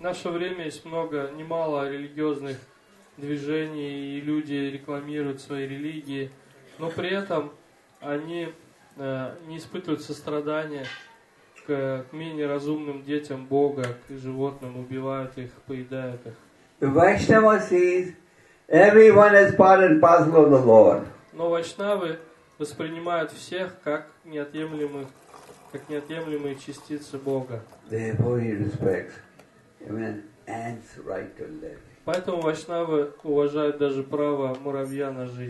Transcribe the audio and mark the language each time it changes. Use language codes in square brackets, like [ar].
[ru] наше время есть много, немало религиозных движений, и люди рекламируют свои религии, но при этом они не испытывают сострадания к менее разумным детям Бога, к животным, убивают их, поедают их. [en] Vaishnava sees everyone as part and parcel of the Lord. [ru] Но вайшнавы воспринимают всех как неотъемлемых. Как неотъемлемые частицы Бога. Поэтому вайшнавы уважают даже право муравья на